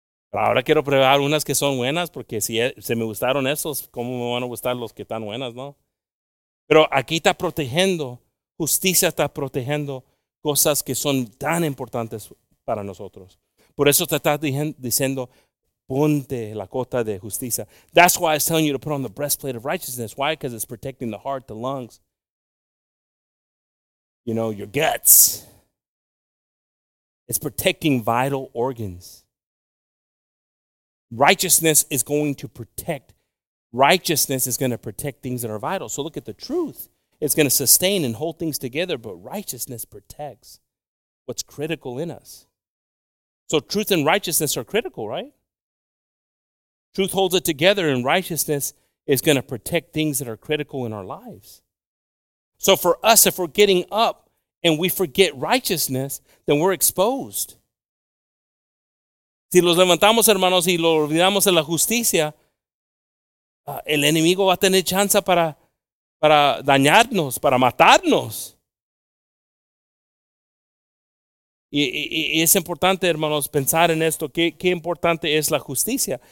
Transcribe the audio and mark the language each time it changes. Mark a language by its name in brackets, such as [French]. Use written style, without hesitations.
[Spanish] Pero ahora quiero probar unas que son buenas, porque si se me gustaron esos, ¿cómo me van a gustar los que están buenas, no? Pero aquí está protegiendo, justicia está protegiendo cosas que son tan importantes para nosotros. Por eso te estás diciendo, ponte la cota de justicia. [English] That's why it's telling you to put on the breastplate of righteousness. Why? Because it's protecting the heart, the lungs, you know, your guts. It's protecting vital organs. Righteousness is going to protect. Righteousness is going to protect things that are vital. So look at the truth. It's going to sustain and hold things together, but righteousness protects what's critical in us. So truth and righteousness are critical, right? Truth holds it together, and righteousness is going to protect things that are critical in our lives. So for us, if we're getting up and we forget righteousness, then we're exposed. [Spanish] Si los levantamos, hermanos, y lo olvidamos de la justicia, el enemigo va a tener chance para dañarnos, para matarnos. Y es importante, hermanos, pensar en esto. ¿Qué importante es la justicia?